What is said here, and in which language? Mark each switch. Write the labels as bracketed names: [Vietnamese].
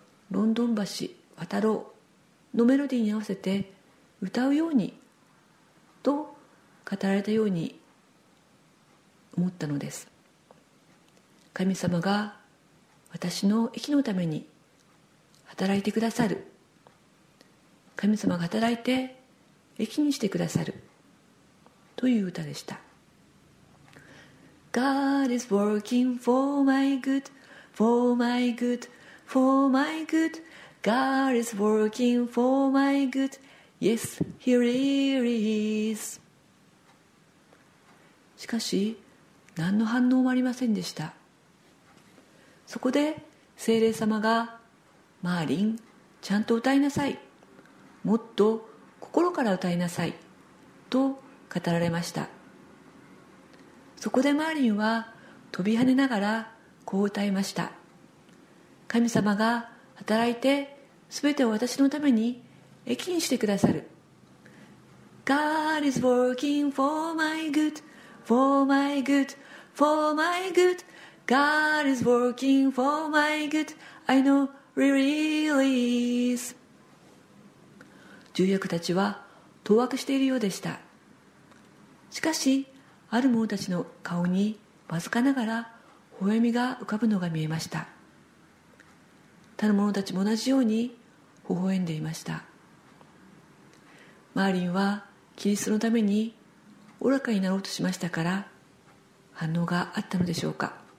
[Japanese] ロンドン橋渡ろうのメロディーに合わせて歌うようにと語られたように思ったのです。神様が私の息のために働いてくださる。神様が働いて益にしてくださるという歌でした。 [English] God is working for my good, for my good, for my good. God is working for my good. Yes, he really is. [Japanese] しかし何の反応もありませんでした。そこで聖霊様が、マーリン、ちゃんと歌いなさい、もっと心から歌いなさいと語られました。そこでマーリンは飛び跳ねながらこう歌いました。神様が働いて全てを私のために益にしてくださる。 [English] God is working for my good, for my good, for my good. God is working for my good. I know he really is. [Japanese] 重役たちは当惑しているようでした。しかしある者たちの顔にわずかながら微笑みが浮かぶのが見えました。他の者たちも同じように微笑んでいました。マーリンはキリストのために愚かになろうとしましたから、反応があったのでしょうか。